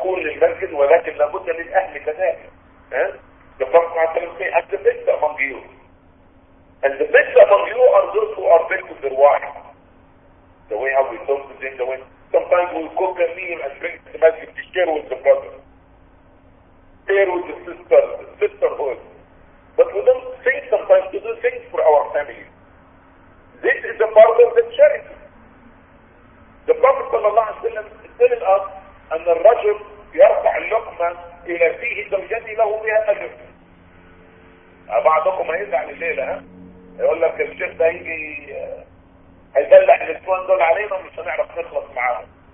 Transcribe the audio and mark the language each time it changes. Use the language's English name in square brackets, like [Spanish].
[Arabic] تكون للمسجد ولكن لابد للأهل كذلك. [English] The Prophet ﷺ said, "As the best among you, and the best among you are those who are best with their wives." The way how we talk to them, the way sometimes we cook a meal and bring to the masjid to share with the brother, share with the sister, the sisterhood. But we don't think sometimes to do things for our family. This is a part of the charity. The Prophet ﷺ telling us, "And the rajul [Arabic] يرفع اللقمة إلى فيه زوجته له بها أجر." بعضكم هيزعل الليلة يقول لك الشيخ ده يجي هيدلع الاخوان دول علينا ومش هنعرف نخلص معاهم.